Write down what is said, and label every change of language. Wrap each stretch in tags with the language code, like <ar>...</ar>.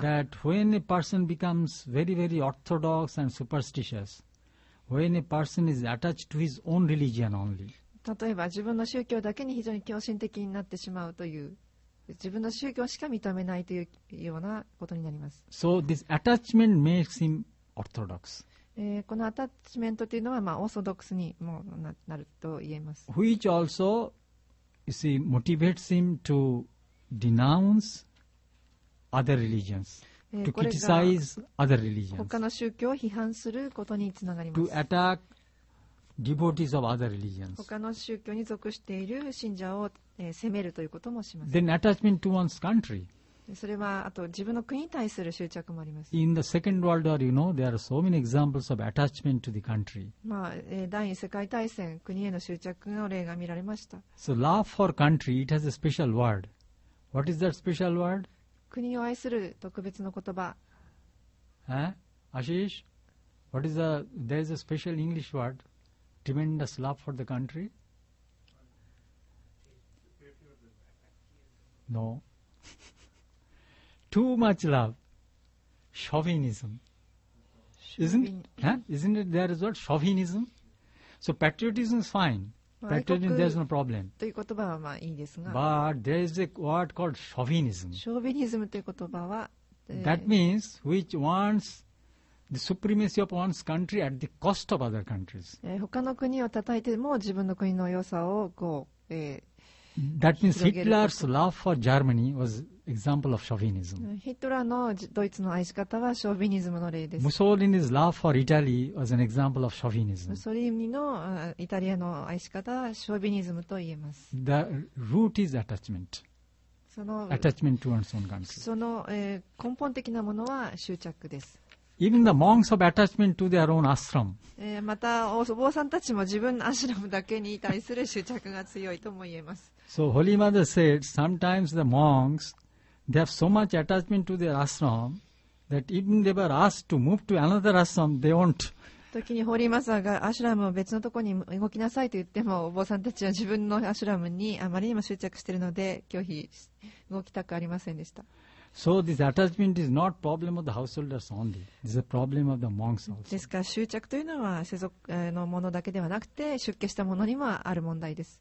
<en>that when a person becomes very, very orthodox and superstitious, when a person is attached to his own religion only,</en> <ja>例えば自分の宗教だけに非常に狂信的になってしまうという、自分の宗教しか認めないというようなことになります。</ja> <en>So this attachment makes him orthodox.</en> <ja>このアタッチメントというのはまあオーソドックスにもなると言えます。</ja> <en>Which also You see, motivates him to denounce other religions, to criticize other religions.</en> <ja>他の宗教を批判することにつながります。</ja> <en>To attack devotees of other religions.</en> <ja>他の宗教に属している信者を責めるということもします。</ja> <en>Then attachment to one's country.</en> <ja>それはあと自分の国に対する執着もあります。</ja> <en>In the Second World War, you know, there are so many examples of attachment to the country.</en> <ja>まあ、第二次世界大戦、国への執着の例が見られました。</ja> <en>So love for country, it has a special word. What is that special word?</en> <ja>国を愛する特別の言葉。</ja> <en>Ashish, what is there is a special English word, tremendous love for the country? No. Too much love, chauvinism, isn't it? There is what chauvinism. So patriotism is fine. Patriotism, there is no problem.</en> <ja>という言葉はまあいいですが、</ja> <en>but there is a word called chauvinism.</en> <ja>Chauvinism という言葉は、</ja> <en>that means which wants the supremacy of one's country at the cost of other countries.</en> <ja>他の国を叩いても自分の国の良さをこう。</ja> <en>That means Hitler's love for Germany was example of chauvinism.</en> <ja>Hitler のドイツの愛し方はショービニズムの例です。</ja> <en>Mussolini's love for Italy was an example of chauvinism.</en> <ja>Mussolini のイタリアの愛し方はショービニズムと言えます。</ja> <en>The root is attachment. Attachment to one's own country.</en> <ja>その根本的なものは執着です。</ja> <en>Even the monks of attachment to their own ashram.</en> <ja>またお坊さんたちも自分のアシュラムだけに対する執着が強いとも言えます。</ja> <en>So Holy Mother said, sometimes the monks, they have so much attachment to their ashram that even they were asked to move to another ashram, they won't.</en> <ja>時にホーリーマザーがアシュラムを別のところに動きなさいと言っても、お坊さんたちは自分のアシュラムにあまりにも執着しているので拒否、動きたくありませんでした。</ja> <en>So this attachment is not problem of the householders only. This is a problem of the monks also.</en> <ja>ですから執着というのは世俗のものだけではなくて出家したものにもある問題です。</ja>